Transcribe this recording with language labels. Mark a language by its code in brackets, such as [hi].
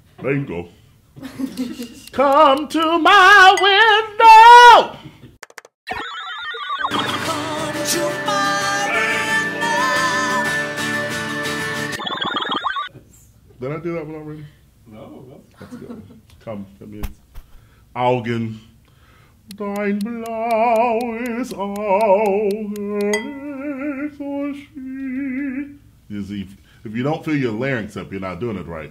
[en] Vango. Come to my window! Come to my window! Did I do that one already? No. That's good. Come, that means. Augen. [de] Dein blaues Auge ist so schön. [en] You see, if you don't feel your larynx up, you're not doing it right.